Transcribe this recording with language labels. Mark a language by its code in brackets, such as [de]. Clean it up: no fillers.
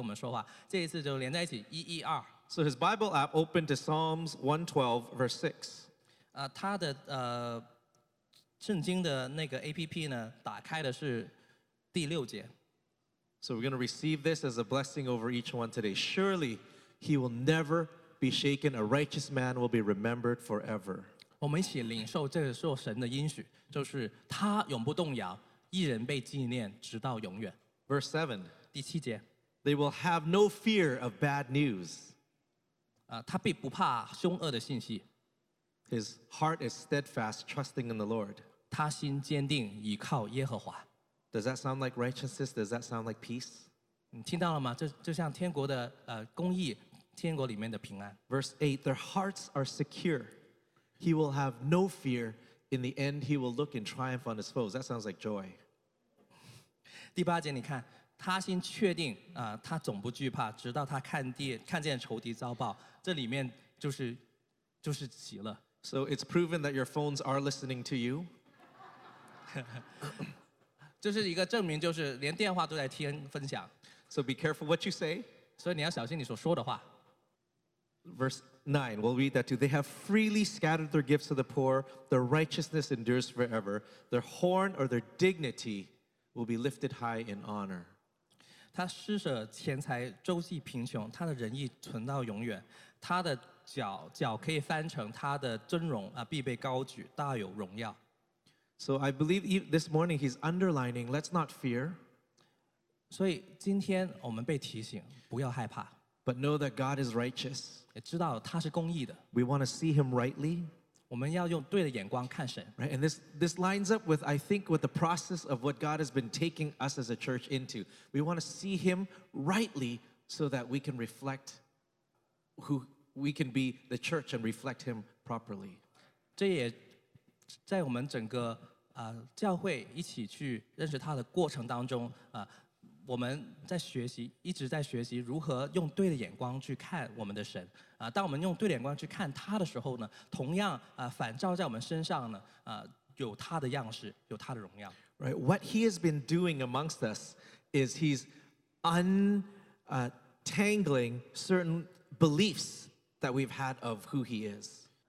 [zh] 我觉得这挺合适的，因为神之前很多次就是透过我爸还有就是我们当中十一、十二这个数字去跟我们说话，这一次就连在一起一一二。 [en] So his Bible app opened to Psalms 112, verse 6. [zh] 他的圣经的那个APP呢，打开的是第六节。 [en] So we're going to receive this as a blessing over each one today. Surely he will never be shaken. A righteous man will be remembered forever. [zh] 我们一起领受这个时候神的应许，就是他永不动摇，一人被纪念直到永远。 [en] Verse 7. [zh] 第七节。 [en] They will have no fear of bad news. [zh] 他必不怕凶恶的信息。 [en] His heart is steadfast, trusting in the Lord. [zh] 他心坚定，倚靠耶和华。 [en] Does that sound like righteousness? Does that sound like peace? [zh] 你听到了吗？就像天国的公义，天国里面的平安。 [en] Verse 8, their hearts are secure. He will have no fear. In the end, he will look in triumph on his foes. That sounds like joy. [zh] 第八节，你看。他心确定，他总不惧怕，直到他看见仇敌遭报，这里面就是喜乐。 [en] So it's proven that your phones are listening to you. [zh] 这是一个证明，就是连电话都在听分享。 [en] So be careful what you say. [zh] 所以你要小心你所说的话。 [en] Verse 9, we'll read that too. They have freely scattered their gifts to the poor. Their righteousness endures forever. Their horn or their dignity will be lifted high in honor. [zh] 他施舍钱财，周济贫穷，他的仁义存到永远。他的脚可以翻成，他的尊荣必被高举，大有荣耀。 [en] So I believe this morning he's underlining, let's not fear. [zh] 所以今天我们被提醒，不要害怕。 [en] But know that God is righteous. [zh] 也知道他是公义的。 [en] We want to see him rightly. [zh] 我们要用对的眼光看神。 [en] Right, and this lines up with, I think, with the process of what God has been taking us as a church into. We want to see him rightly so that we can reflect who we can be the church and reflect him properly. [zh] 这也在我们整个 教会一起去认识他的过程当中，我们在学习，一直在学习如何用对的眼光去看我们的神。当我们用对的眼光去看他的时候呢，同样反照在我们身上呢，有他的样式，有他的荣耀。 [en] Right, what he has been doing amongst us is he's untangling certain beliefs that we've had of who he is.